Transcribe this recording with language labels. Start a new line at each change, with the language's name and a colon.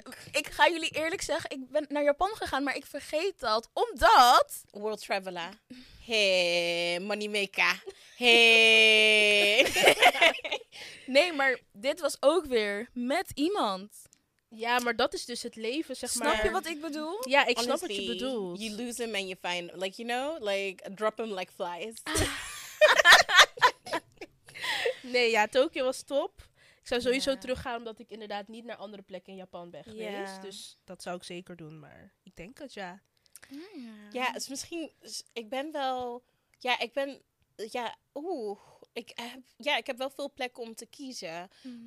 Dutch: Ik ga jullie eerlijk zeggen, ik ben naar Japan gegaan, maar ik vergeet dat. Omdat...
English: World Traveler. Hey, money maker. Hey.
Dutch: Nee, maar dit was ook weer met iemand. Ja, maar dat is dus het leven, zeg maar. Snap je wat ik bedoel? Ja, ik snap wat je bedoelt.
English: You lose him and you find him. Like, you know, like, drop him like flies.
Dutch: Nee, ja, Tokio was top. Ik zou sowieso teruggaan, omdat ik inderdaad niet naar andere plekken in Japan ben geweest. Yeah. Dus dat zou ik zeker doen, maar ik denk het, ja. Ja, dus misschien, ik heb wel veel plekken om te kiezen. Mm-hmm.